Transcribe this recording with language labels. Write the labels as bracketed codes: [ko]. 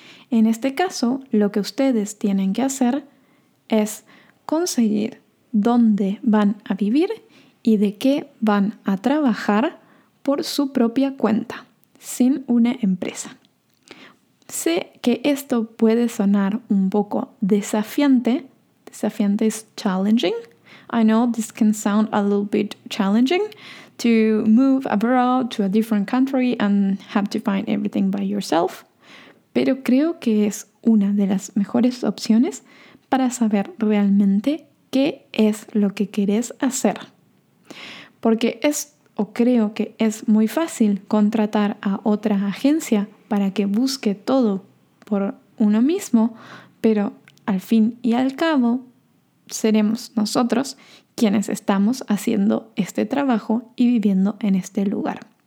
[es] En este caso, lo que ustedes tienen que hacer es conseguir dónde van a vivir y de qué van a trabajar por su propia cuenta, sin una empresa. Sé que esto puede sonar un poco desafiante. Desafiante es challenging. [en] I know this can sound a little bit challenging to move abroad to a different country and have to find everything by yourself. [es] Pero creo que es una de las mejores opciones para saber realmente qué es lo que querés hacer. Porque es o creo que es muy fácil contratar a otra agencia para que busque todo por uno mismo, pero al fin y al cabo seremos nosotros quienes estamos haciendo este trabajo y viviendo en este lugar.